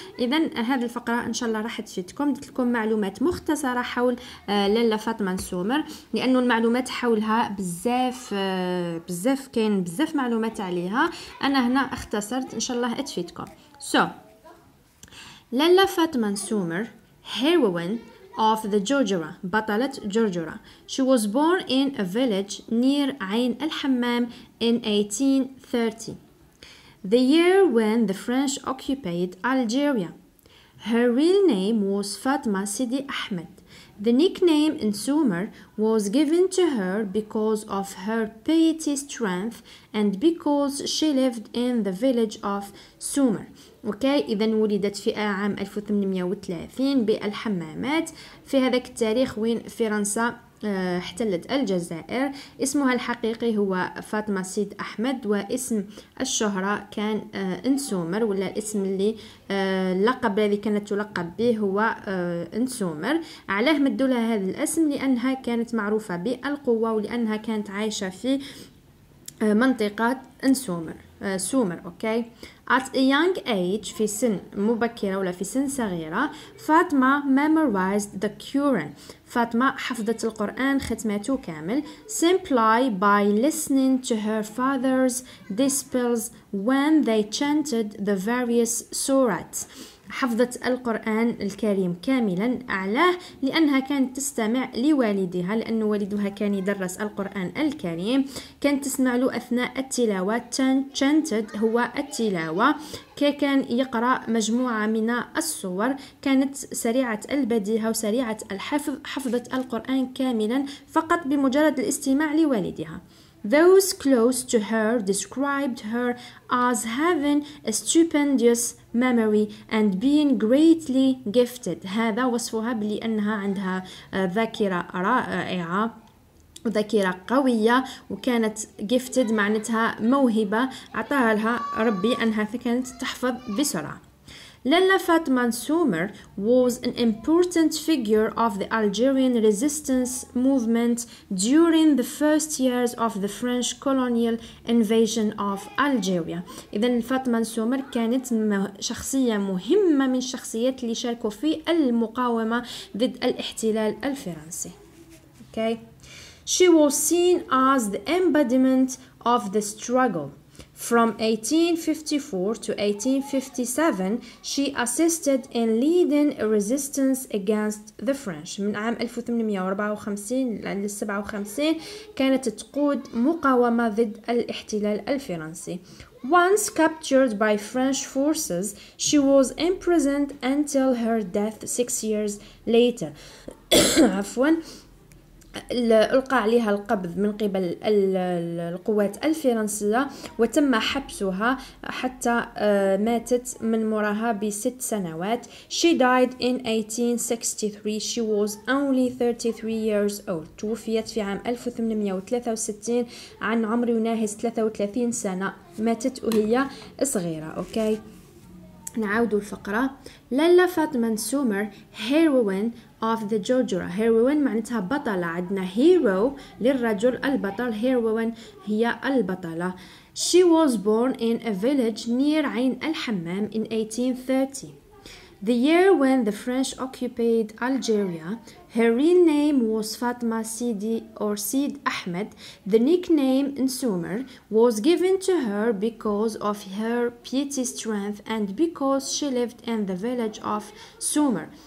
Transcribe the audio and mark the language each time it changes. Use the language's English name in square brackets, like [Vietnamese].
[Arabic] اذا هذه الفقره ان شاء الله راح تفيدكم. درت لكم معلومات مختصره حول لاله فاطمه انسومر لانه المعلومات حولها بزاف بزاف، كاين بزاف معلومات عليها. انا هنا اختصرت ان شاء الله تفيدكم. سو لاله فاطمه انسومر هيروين of the جورجورا، بطلة جورجورا. [English] She was born in a village near عين الحمام in 1830, the year when the French occupied Algeria. Her real name was Fatma Sidi Ahmed. The nickname Insumer was given to her because of her piety strength and because she lived in the village of Sumer. [Arabic] اوكي، اذا ولدت في عام 1830 بالحمامات في هذاك التاريخ وين فرنسا احتلت الجزائر. اسمها الحقيقي هو فاطمة سيد احمد، واسم الشهرة كان انسومر، ولا الاسم اللي اللقب الذي كانت تلقب به هو انسومر. علاه مدوا لها هذا الاسم؟ لانها كانت معروفة بالقوة، ولانها كانت عايشة في منطقة انسومر. سومر، اوكي. [English] At a young age، [Arabic] في سن مبكرة ولا في سن صغيرة، فاطمة [English] memorized the Quran. [Arabic] فاطمة حفظت القرآن ختمته كامل. [English] Simply by listening to her father's disciples when they chanted the various surahs. [Arabic] حفظت القرآن الكريم كاملا. علاه؟ لأنها كانت تستمع لوالدها، لأن والدها كان يدرس القرآن الكريم، كانت تسمع له أثناء التلاوة. chanted هو التلاوة. كان يقرأ مجموعة من الصور، كانت سريعة البديهة وسريعة الحفظ، حفظت القرآن كاملا فقط بمجرد الاستماع لوالدها. [English] Those close to her described her as having a stupendous memory and being greatly gifted. [Arabic] هذا وصفها بلي أنها عندها ذاكرة رائعة وذاكرة قوية، وكانت gifted معناتها موهبة عطاها لها ربي أنها كانت تحفظ بسرعة. [English] Lalla Fatma Nsumer was an important figure of the Algerian resistance movement during the first years of the French colonial invasion of Algeria. [Arabic] إذا فاطمة نسومر كانت شخصية مهمة من الشخصيات اللي شاركوا في المقاومة ضد الاحتلال الفرنسي. [English] Okay. She was seen as the embodiment of the struggle. From 1854 to 1857, she assisted in leading a resistance against the French. [Arabic] من عام 1854 ل 57 كانت تقود مقاومة ضد الاحتلال الفرنسي. [English] Once captured by French forces, she was imprisoned until her death 6 years later. [Arabic] عفوا، ألقى عليها القبض من قبل القوات الفرنسية وتم حبسها حتى ماتت من مراها بست سنوات. [English] She died in 1863. She was only 33 years old. [Arabic] توفيت في عام 1863 عن عمر يناهز 33 سنة. ماتت وهي صغيرة. أوكي، نعود الفقرة. لالا فاطمة نسومر هيروين of the جورجورا. هيروين معناتها بطلة. عندنا هيرو للرجل البطل، هيروين هي البطلة. [English] She was born in a village near عين الحمام in 1830, the year when the French occupied Algeria. Her real name was Fatma Sidi or Sid Ahmed. The nickname Insumer was given to her because of her piety strength and because she lived in the village of Sumer.